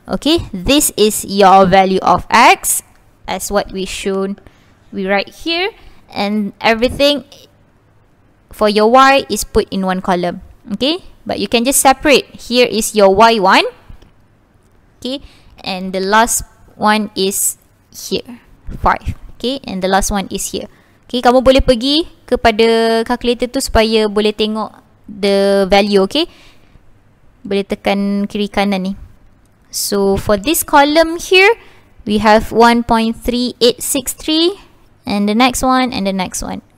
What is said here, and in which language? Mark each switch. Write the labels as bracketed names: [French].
[English] Okay, this is your value of x as what we shown, we write here, and everything for your y is put in one column. Okay, but you can just separate. Here is your y1. Okay, and the last one is here, 5. Okay, and the last one is here. [Malay] Okay, kamu boleh pergi kepada calculator tu supaya boleh tengok [English] the value, okay? [Malay] Boleh tekan kiri kanan ni. [English] So, for this column here, we have 1.3863 and the next one and the next one.